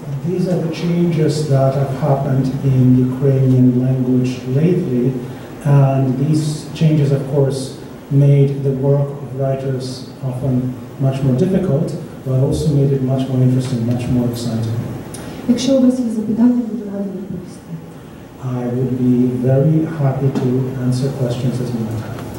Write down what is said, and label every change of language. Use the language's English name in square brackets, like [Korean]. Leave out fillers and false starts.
[English] These are the changes that have happened in Ukrainian language lately, and these changes, of course, made the work of writers often much more difficult, but also made it much more interesting, much more exciting. [Ukrainian] Якщо у вас є запитання, буду рада відповісти. [English] I would be very happy to answer questions as you might have.